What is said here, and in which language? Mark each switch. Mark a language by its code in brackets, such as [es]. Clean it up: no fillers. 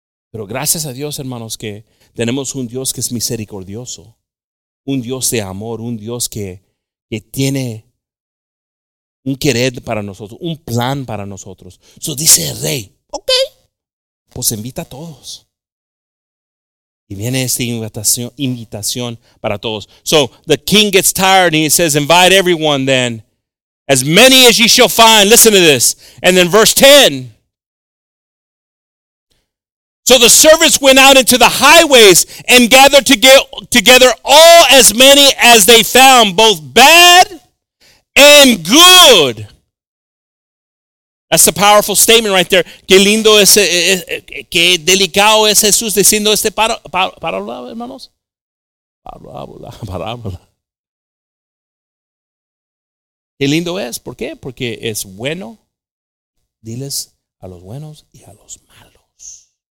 [es] Pero gracias a Dios, hermanos, que tenemos un Dios que es misericordioso, un Dios de amor, un Dios que tiene un querer para nosotros, un plan para nosotros. So dice el rey, ok, pues invita a todos. Y viene esta invitación para todos. [en] So the king gets tired and he says, invite everyone then, as many as ye shall find. Listen to this. And then verse 10. So the servants went out into the highways and gathered together all as many as they found, both bad and good. That's a powerful statement right there. [es] Qué lindo es, qué delicado es Jesús diciendo este parábola, hermanos. Parábola. Qué lindo es, ¿por qué? Porque es bueno. Diles a los buenos y a los malos.